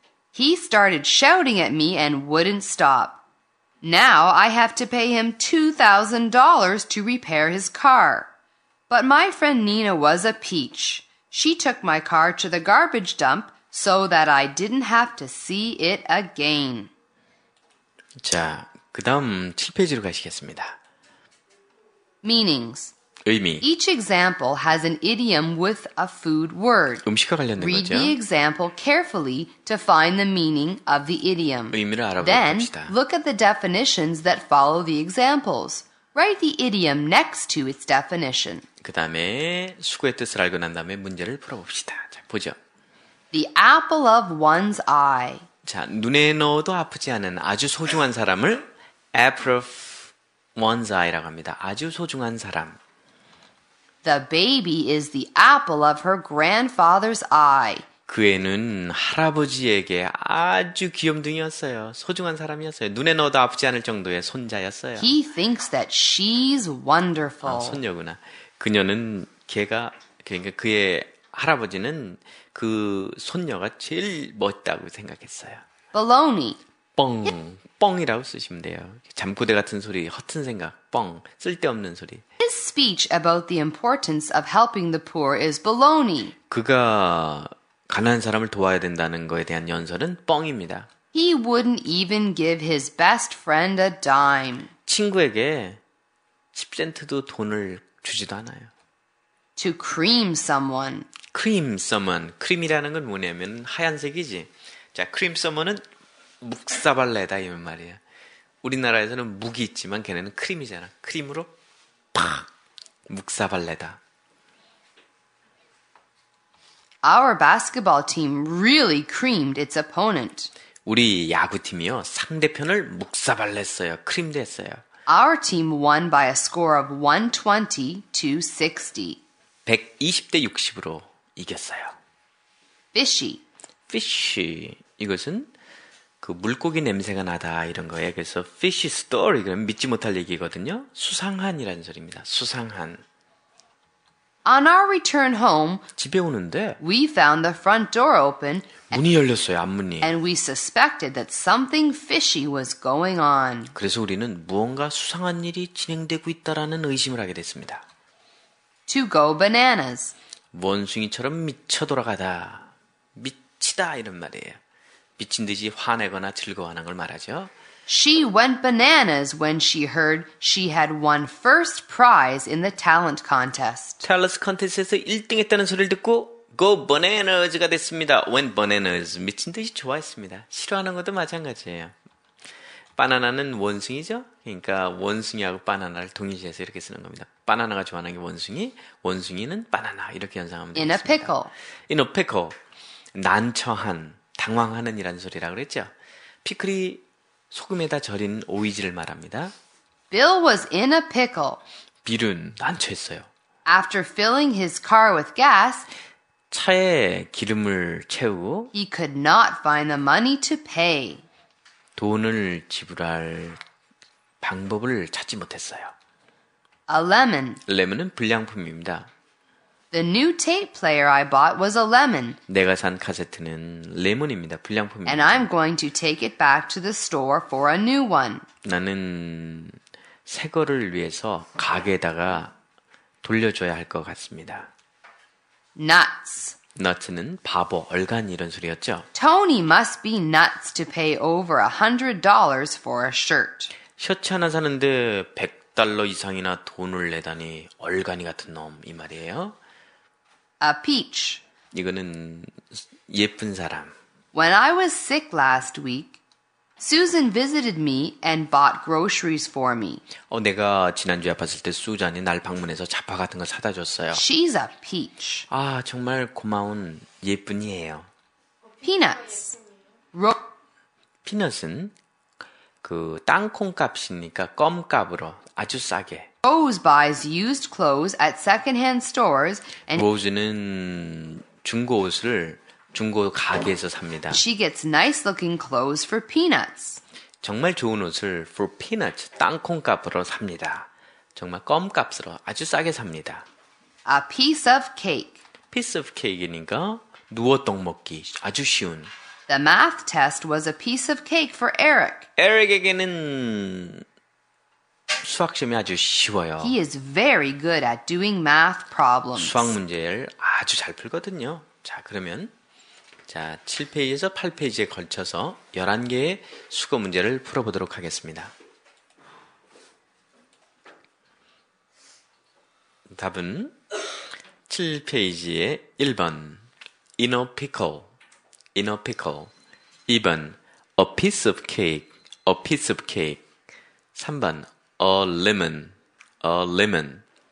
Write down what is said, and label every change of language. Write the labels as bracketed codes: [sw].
[en] He started shouting at me and wouldn't stop. Now I have to pay him $2,000 to repair his car. But my friend Nina was a peach. She took my car to the garbage dump so that I didn't have to see it again. [ko] 자, 그 다음 7페이지로 가시겠습니다. [en] Meanings. [ko] 의미. [en] Each example has an idiom with a food word. [ko] 음식과 관련된 [en] Read [ko] 거죠. [en] Read the example carefully to find the meaning of the idiom. [ko] 의미를 알아볼 봅시다. [en] Then, look at the definitions that follow the examples. Write the idiom next to its definition. [ko] 그 다음에 수고의 뜻을 알고 난 다음에 문제를 풀어봅시다. 자, 보죠. [en] The apple of one's eye. [ko] 자, 눈에 넣어도 아프지 않은 아주 소중한 사람을 [en] apple of one's eye [ko] 라고 합니다. 아주 소중한 사람. [en] The baby is the apple of her grandfather's eye. [ko] 그 애는 할아버지에게 아주 귀염둥이였어요. 소중한 사람이었어요. 눈에 넣어도 아프지 않을 정도의 손자였어요. [en] He thinks that she's wonderful. [ko] 아, 손녀구나. 그녀는 걔가 그러니까 그의 할아버지는 그 손녀가 제일 멋있다고 생각했어요. [en] Baloney. [ko] 뻥. 뻥이라고 쓰시면 돼요. 잠꼬대 같은 소리, 허튼 생각, 뻥. 쓸데없는 소리. [en] His speech about the importance of helping the poor is baloney. [ko] 그가 가난한 사람을 도와야 된다는 거에 대한 연설은 뻥입니다. [en] He wouldn't even give his best friend a dime. [ko] 친구에게 10센트도 돈을 주지도 않아요. [en] To cream someone. Cream someone. [ko] Cream이라는 건 뭐냐면 하얀색이지. 자, [en] cream someone [ko] 은 묵사발레다 이 말이야. 우리나라에서는 묵이 있지만 걔네는 크림이잖아. 크림으로 팍 묵사발레다. [en] Our basketball team really creamed its opponent. [ko] 우리 야구팀이요 상대편을 묵사발랐어요. 크림됐어요. [en] Our team won by a score of 120-60. [ko] 120대 60으로 이겼어요. [en] Fishy. Fishy. [ko] 이것은 그 물고기 냄새가 나다 이런 거예요. 그래서 [en] fishy story [ko] 그럼 믿지 못할 얘기거든요. 수상한이라는 소리입니다. 수상한. [en] On our return home, [ko] 집에 오는데 [en] we found the front door open. [ko] 문이 열렸어요, 앞문이. [en] And we suspected that something fishy was going on. [ko] 그래서 우리는 무언가 수상한 일이 진행되고 있다라는 의심을 하게 됐습니다. [en] To go bananas. [ko] 원숭이처럼 미쳐 돌아가다. 미치다 이런 말이에요. 미친 듯이 화내거나 즐거워하는 걸 말하죠. [en] She went bananas when she heard she had won first prize in the talent contest. Talent contest [ko] 에서 1등 했다는 소리를 듣고 [en] go bananas [ko] 가 됐습니다. [en] Went bananas. [ko] 미친 듯이 좋아했습니다. 싫어하는 것도 마찬가지예요. 바나나는 원숭이죠. 그러니까 원숭이하고 바나나를 동의시해서 이렇게 쓰는 겁니다. 바나나가 좋아하는 게 원숭이, 원숭이는 바나나 이렇게 연상합니다. [en] In a pickle. In a pickle. [ko] 난처한. 당황하는 이란 소리라고 그랬죠. 피클이 소금에다 절인 오이지를 말합니다. [en] Bill was in a pickle. [ko] 빌은 난처했어요. [en] After filling his car with gas, [ko] 차에 기름을 채우고 [en] he could not find the money to pay. [ko] 돈을 지불할 방법을 찾지 못했어요. [en] A lemon. [ko] 레몬은 불량품입니다. [en] The new tape player I bought was a lemon. [ko] 내가 산 카세트는 레몬입니다. 불량품입니다. [en] And I'm going to take it back to the store for a new one. [ko] 나는 새 거를 위해서 가게에다가 돌려줘야 할 것 같습니다. [en] Nuts. [ko] Nuts는 바보, 얼간 이런 소리였죠. [en] Tony must be nuts to pay over $100 for a shirt. [ko] 셔츠 하나 사는데 $100 이상이나 돈을 내다니 얼간이 같은 놈 이 말이에요. [en] A peach. [ko] 이거는 예쁜 사람. [en] When I was sick last week, Susan visited me and bought groceries for me. [ko] 내가 지난주에 아팠을 때 수잔이 날 방문해서 잡화 같은 걸 사다 줬어요. [en] She's a peach. [ko] 아, 정말 고마운 예쁜이에요. [en] Peanuts. [ko] Peanuts은 그 땅콩값이니까 껌값으로 아주 싸게. [en] Rose buys used clothes at second-hand stores. And [ko] Rose는 중고 옷을 중고 가게에서 삽니다. [en] She gets nice-looking clothes for peanuts. [ko] 정말 좋은 옷을 [en] for peanuts, [ko] 땅콩 값으로 삽니다. 정말 껌 값으로 아주 싸게 삽니다. [en] A piece of cake. Piece of cake [ko] 이니까 누워 떡 먹기 아주 쉬운. [en] The math test was a piece of cake for Eric. [ko] Eric에게는 수학 시험이 아주 쉬워요. [en] He is very good at doing math problems. [ko] 수학 문제를 아주 잘 풀거든요. 자, 그러면 자, 7페이지에서 8페이지에 걸쳐서 11개의 수거 문제를 풀어보도록 하겠습니다. 답은 7페이지에 1번 [en] In a pickle, in a pickle. 2번 A piece of cake, a piece of cake. 3번 A lemon, a lemon.